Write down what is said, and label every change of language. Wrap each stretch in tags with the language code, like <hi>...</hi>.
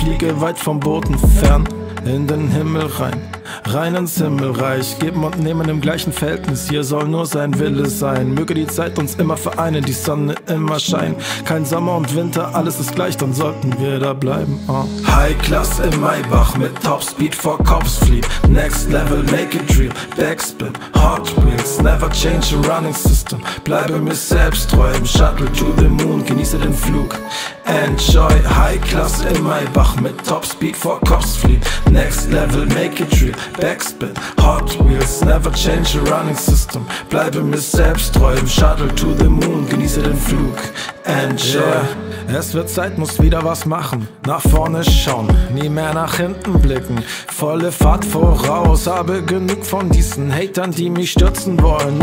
<de>Fliege weit vom Boden fern in den Himmel rein. Rein ins Himmelreich, geben und nehmen im gleichen Verhältnis. Hier soll nur sein Wille sein. Möge die Zeit uns immer vereinen, die Sonne immer scheinen. Kein Sommer und Winter, alles ist gleich, dann sollten wir da bleiben. Oh.</de> <en>High Class</en> <de>in Maybach mit Topspeed vor Cops flieht.</de> <en>Next level, make it real, backspin, Hot Wheels. Never change your running system,</en> <de>bleibe mir selbst treu. Im</de> <en>Shuttle to the moon,</en> <de>genieße den Flug.</de> <en>Enjoy, High Class</en> <de>in Maybach mit Topspeed vor Cops flieht.</de> <en>Next level, make it real, backspin, Hot Wheels. Never change your running system,</en> <de>bleibe mir selbst treu.</de> <en>Im Shuttle to the moon,</en> <de>genieße den Flug.</de> <en>Enjoy, yeah.</en> <de>Es wird Zeit, muss wieder was machen. Nach vorne schauen, nie mehr nach hinten blicken. Volle Fahrt voraus, habe genug von diesen Hatern, die mich stürzen wollen.</de>